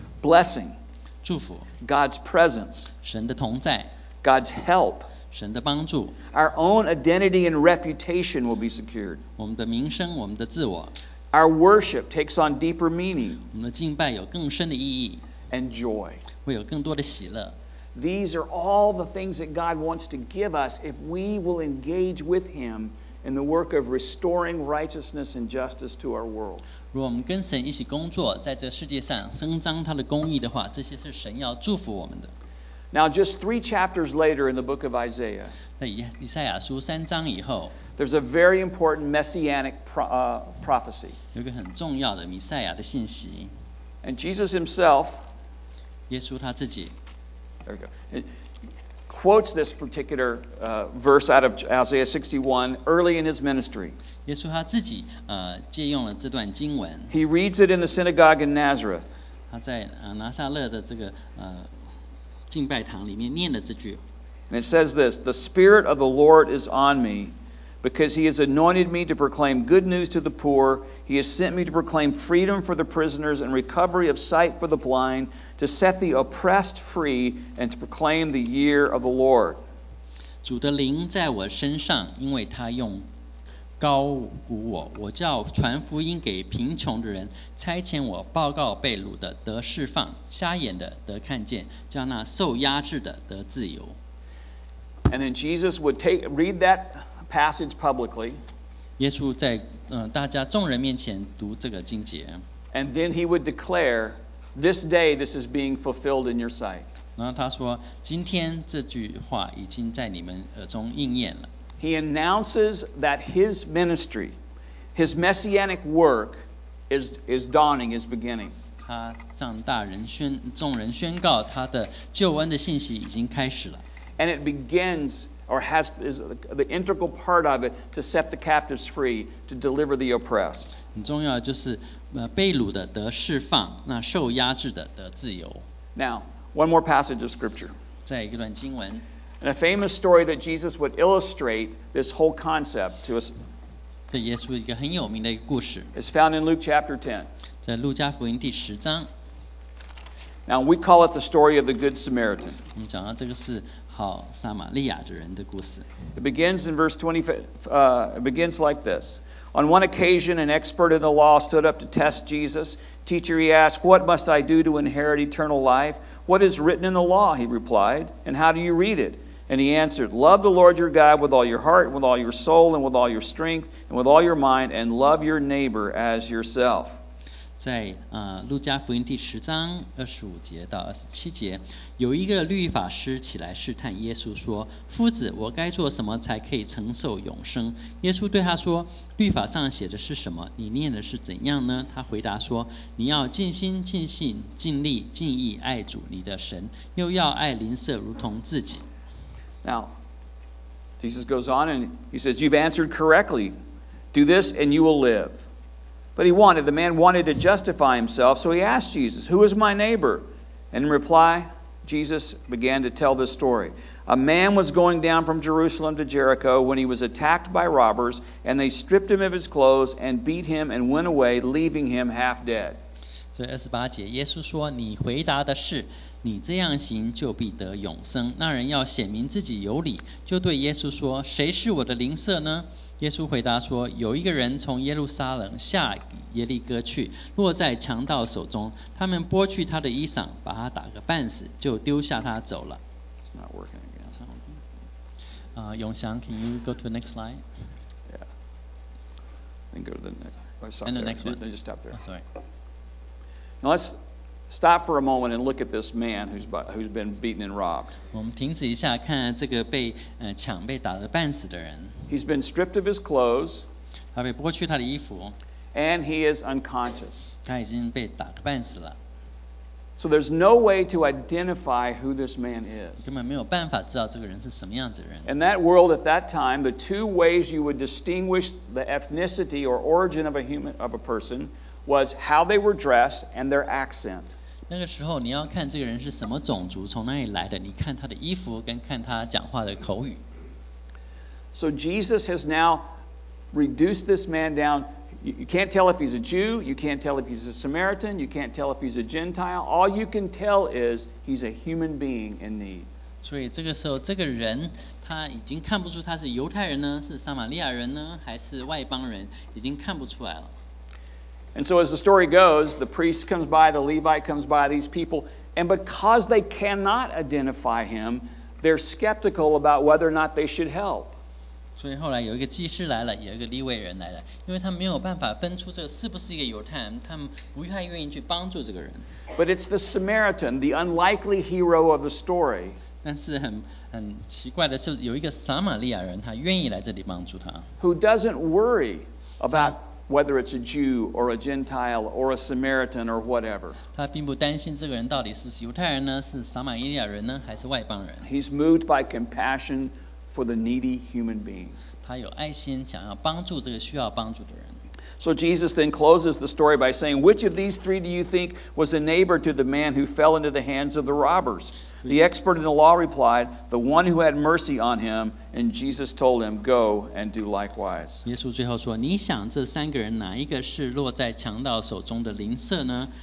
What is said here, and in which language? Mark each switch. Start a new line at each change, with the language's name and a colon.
English: Blessing.
Chinese: 祝福,
English: God's presence,
Chinese: 神的同在,
English: God's help,
Chinese: 神的帮助,
English: our own identity and reputation will be secured,
Chinese: 我们的名声, 我们的自我,
English: our worship takes on deeper meaning,
Chinese: 我们的敬拜有更深的意义,
English: and joy,
Chinese: 会有更多的喜乐。
English: These are all the things that God wants to give us if we will engage with Him in the work of restoring righteousness and justice to our world.
Chinese: 如果我们跟神一起工作，在这世界上伸张他的公义的话，这些是神要祝福我们的。
English: Now, just three chapters later in the book of Isaiah,
Chinese: 在以赛亚书三章以后，
English: there's a very important messianic prophecy.
Chinese: 有一个很重要的弥赛亚的信息。
English: And Jesus Himself,
Chinese: 耶稣他自己。
English: There we go. Quotes this particular verse out of Isaiah 61 early in his ministry.
Chinese: 耶稣他自己借用了这段经文。
English: He reads it in the synagogue in Nazareth.
Chinese: 他在拿撒勒的这个敬拜堂里面念了这句。
English: And it says this: The Spirit of the Lord is on me, because He has anointed me to proclaim good news to the poor. He has sent me to proclaim freedom for the prisoners and recovery of sight for the blind. To set the oppressed free and to proclaim the year of the Lord.
Chinese: 主的灵在我身上，因为他用高估我，我叫传福音给贫穷的人，差遣我报告被掳的得释放，瞎眼的得看见，叫那受压制的得自由。
English: And then Jesus would read that passage publicly.
Chinese: 耶稣在大家众人面前读这个经节。
English: And then he would declare. This day, this is being fulfilled in your sight.
Chinese: 然后他说，今天这句话已经在你们耳中应验了。
English: He announces that his ministry, his messianic work, is dawning, is beginning.
Chinese: 他向大人宣众人宣告他的救恩的信息已经开始了。
English: And it begins, or has is the integral part of it, to set the captives free, to deliver the oppressed.
Chinese: 很重要就是。被掳的得释放，那受压制的得自由。
English: Now, one more passage of scripture.
Chinese: 再一段经文。
English: And a famous story that Jesus would illustrate this whole concept to us.
Chinese: 对耶稣一个很有名的一个故事。
English: Is found in Luke chapter 10.
Chinese: 在路加福音第十章。
English: Now we call it the story of the Good Samaritan.
Chinese: 我们讲到这个是好撒玛利亚的人的故事。
English: It begins in verse 25. It begins like this. On one occasion, an expert in the law stood up to test Jesus. Teacher, he asked, what must I do to inherit eternal life? What is written in the law, he replied, and how do you read it? And he answered, love the Lord your God with all your heart, with all your soul, and with all your strength, and with all your mind, and love your neighbor as yourself.
Chinese: 在路加福音第十章二十五节到二十七节，有一个律法师起来试探耶稣说，夫子，我该做什么才可以承受永生？耶稣对他说，律法上写的是什么？你念的是怎样呢？他回答说：你要尽心、尽性、尽力、尽意爱主你的神，又要爱邻舍如同自己。
English: Now, Jesus goes on and he says, "You've answered correctly. Do this, and you will live." But the man wanted to justify himself, so he asked Jesus, "Who is my neighbor?" And in reply, Jesus began to tell this story. A man was going down from Jerusalem to Jericho when he was attacked by robbers, and they stripped him of his clothes and beat him and went away, leaving him half dead.
Chinese: 所以二十八节，耶稣说：“你回答的是，你这样行就必得永生。” 那人要显明自己有理，就对耶稣说：“谁是我的邻舍呢？” 耶稣回答说：“有一个人从耶路撒冷下耶利哥去，落在强盗手中，他们剥去他的衣裳，把他打个半死，就丢下他走了。”
English: It's not working. Yongxiang, can you go to the next slide? Yeah. Then go to the next. And the next one. Then just stop there. Oh, sorry. Now let's stop for a moment and look at this man who's been beaten and robbed.
Chinese: 我们停止一下，看这个被抢、被打得半死的人。
English: He's been stripped of his clothes.
Chinese: 他被剥去他的衣服。
English: And he is unconscious.
Chinese: 他已经被打得半死了。
English: So there's no way to identify who this man is.
Chinese: 根本没有办法知道这个人是什么样子的人。
English: In that world at that time, the two ways you would distinguish the ethnicity or origin of a person was how they were dressed and their accent.
Chinese: 那个时候你要看这个人是什么种族，从哪里来的，你看他的衣服跟看他讲话的口语。
English: So Jesus has now reduced this man down, You can't tell if he's a Jew. You can't tell if he's a Samaritan. You can't tell if he's a Gentile. All you can tell is he's a human being in need.
Chinese: 所以这个时候，这个人他已经看不出他是犹太人呢，是撒玛利亚人呢，还是外邦人，已经看不出来了。
English: And so as the story goes, the priest comes by, the Levite comes by these people, and because they cannot identify him, they're skeptical about whether or not they should help.
Chinese: 所以后来有一个祭司来了，有一个利未人来了，因为他们没有办法分出这个是不是一个犹太人，他们不太愿意去帮助这个人。
English: But it's the Samaritan, the unlikely hero of the story.
Chinese: 但是很奇怪的是，有一个撒玛利亚人，他愿意来这里帮助他。
English: Who doesn't worry about whether it's a Jew or a Gentile or a Samaritan or whatever.
Chinese: 他并不担心这个人到底是不是犹太人呢，是撒玛利亚人呢，还是外邦人。
English: He's moved by compassion for the needy human being.
Chinese: 他有爱心，想要帮助这个需要帮助的人。
English: So Jesus then closes the story by saying, which of these three do you think was a neighbor to the man who fell into the hands of the robbers? The expert in the law replied, the one who had mercy on him, and Jesus told him, go and do likewise.
Chinese: 耶稣最后说，你想这三个人哪一个是落在强盗手中的邻舍呢？